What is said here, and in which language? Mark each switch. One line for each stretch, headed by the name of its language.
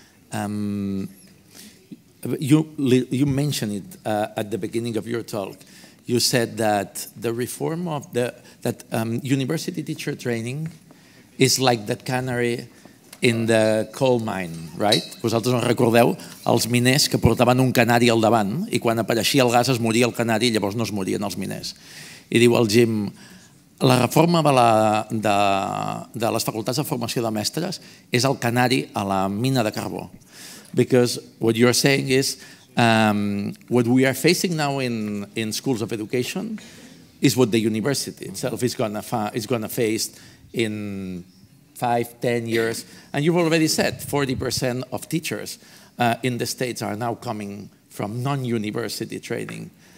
English: You mentioned it at the beginning of your talk. You said that the reform of that university teacher training is like the canary in the coal mine, right?
Catalan: Vosaltres no recordeu els miners que portaven un canari al davant i quan apareixia el gas es moria el canari i llavors no es morien els miners. I diu el Jim, la reforma de les facultats de formació de mestres és el canari a la mina de carbó.
English: Because what you're saying is what we are facing now in schools of education is what the university itself is gonna face in 5-10 years, and you've already said 40% of teachers in the States are now coming from non-university training.